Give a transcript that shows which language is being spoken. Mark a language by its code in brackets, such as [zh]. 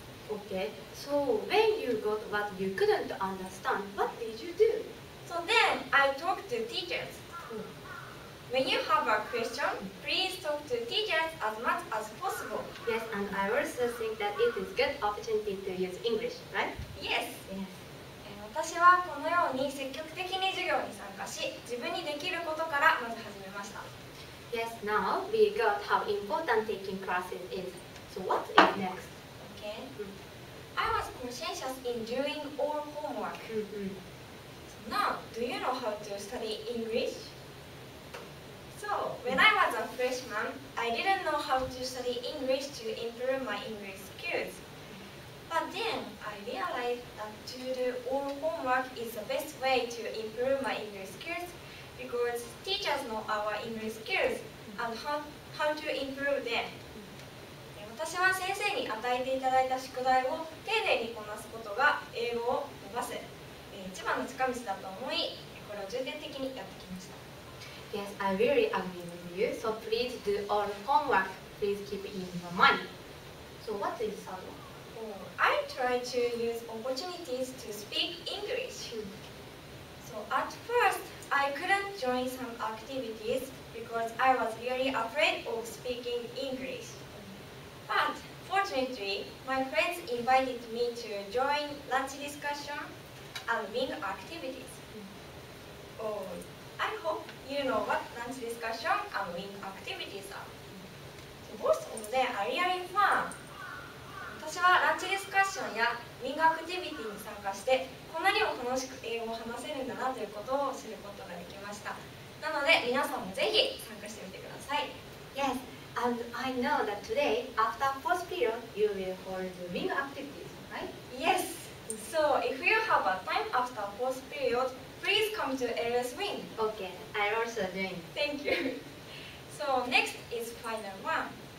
[en] Okay, so when you got what you couldn't understand, what did you do? So then, I talked to teachers. When you have a question, please talk to teachers as much as possible. Yes, and I also think that it is a good opportunity to use English, right? Yes. [ja] 私はこのように積極的に授業に参加し、自分にできることからまず始めました。 [en] Yes, now we got how important taking classes is. So what is next? Okay. I was conscientious in doing all homework. So now, do you know how to study English? So, when I was a freshman, I didn't know how to study English to improve my English skills. But then, I realized that to do all homework is the best way to improve my English skills because teachers know our English skills and how to improve them. [ja] 私は先生に与えていただいた宿題を丁寧にこなすことが英語を伸ばす一番の近道だと思い、これを重点的にやってきました。 [en] Yes, I really agree with you. So please do all homework. Please keep it in your mind. So what is the third one? I try to use opportunities to speak English. So at first, I couldn't join some activities because I was really afraid of speaking English. But fortunately, my friends invited me to join lunch discussion and meeting activities. I hope you know what lunch discussion and meeting activities are. So both of them are really fun. [ja] 私はランチディスカッションやミングアクティビティに参加して、こんなにも楽しく英語を話せるんだなということを知ることができました。なので、皆さんもぜひ参加してみてください。 [en] Yes, and I know that today, after fourth period, you will hold ming activities, right? Yes, so if you have a time after fourth period, please come to LS Wing. Okay, I'm also doing. Thank you. So next is final one.